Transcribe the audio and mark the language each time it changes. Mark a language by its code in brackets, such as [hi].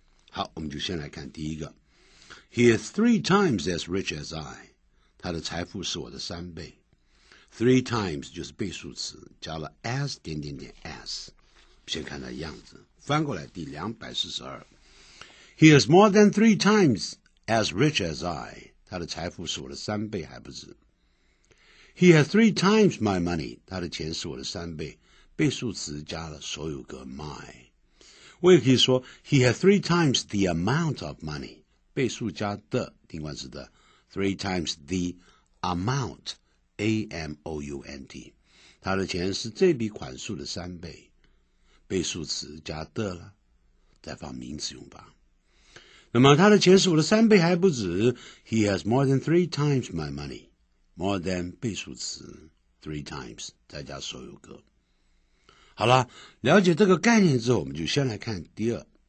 [zh] 好，我们就先来看第一个 [en] He is three times as rich as I， [zh] 他的财富是我的三倍。 Three times 就是倍数词，加了 s 点点点 s， 先看他的样子，翻过来第242。 [en] He is more than three times as rich as I. [zh] 他的财富是我的三倍还不止。 [en] He has three times my money. [zh] 他的钱是我的三倍。倍数词加了所有格 my。我也可以说 [en] He has three times the amount of money. [zh] 倍数加的定冠词的 [en] three times the amount, [zh] A-M-O-U-N-T. 他的钱是这笔款数的三倍。倍数词加的了，再放名词用吧。那么他的钱是我的三倍还不止 [en] He has more than three times my money [zh] More than 倍数词 Three times 再加所有格好了了解这个概念之后我们就先来看第二